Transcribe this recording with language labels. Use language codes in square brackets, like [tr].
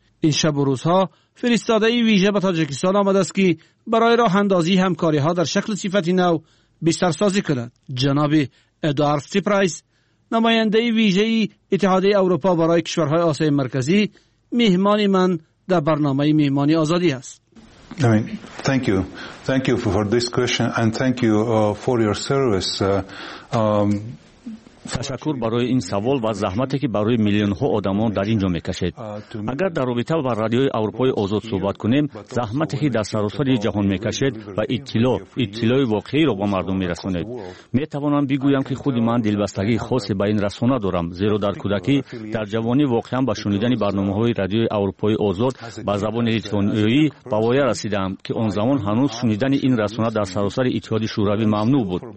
[fa] این شب و روزها فرستاده ویژه به تاجیکستان آمده است که برای راه اندازی همکاری ها در شکل صفت نو بیشتر سازی کند. جناب ادوارد سیپرایس نماینده ویژه اتحادیه اروپا برای کشورهای آسیای مرکزی مهمان من در برنامه مهمان آزادی است. [en] I mean, thank you for this question and thank you for your service. [fa] تشکر برای این سوال و زحمتی که برای میلیون ها آدمان در اینجا میکشید. اگر در رابطه با رادیو اروپای آزاد صحبت کنیم، زحمتی که در سراسر جهان میکشید و اطلاع واقعی را به مردم میرسانید. میتوانم بگویم که خود من دلبستگی خاص به این رسانه دارم، زیرا در کودکی در جوانی واقعا با شنیدن برنامه های رادیو اروپای آزاد با زبان لیتوانیایی به وای رسیدم که آن زمان هنوز شنیدن این رسانه در سراسر اتحاد شوروی ممنوع بود.